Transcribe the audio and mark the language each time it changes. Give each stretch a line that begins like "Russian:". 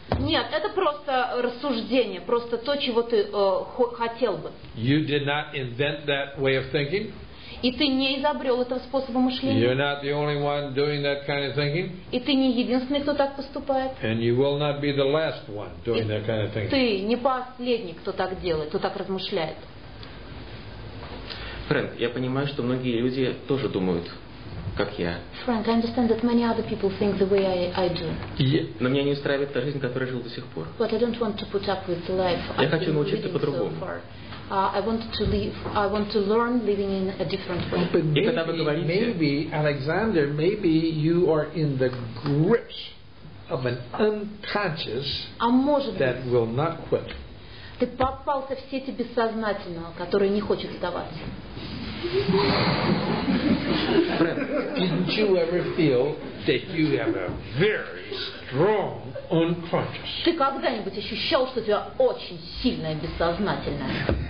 Russian: Нет, это просто рассуждение, просто то, чего ты хотел бы.
English: You did not invent that way of thinking?
Russian: И ты не изобрел этого способа мышления?
English: You're not the only one doing that kind of thinking?
Russian: И ты не единственный, кто так поступает?
English: And you will not be the last one doing that kind of thinking.
Russian: Ты не последний, кто так делает, кто так размышляет. Фрэнк, я понимаю, что многие люди тоже думают. Как я.
English: Frank, I understand that many other people think the way I do.
Russian: Но меня не устраивает та жизнь, которой жил до сих пор.
English: But I don't want to put up with the life.
Russian: Я хочу научиться по-другому.
English: I want to learn living in a different way. But maybe Alexander, maybe you are in the grips of an unconscious that will not quit.
Russian: Ты попался в сети бессознательного, которое не хочет сдаваться.
English: Friend, didn't you ever feel that you have a very strong unconscious?
Russian: Ты когда-нибудь ощущал, что у тебя очень сильное бессознательное?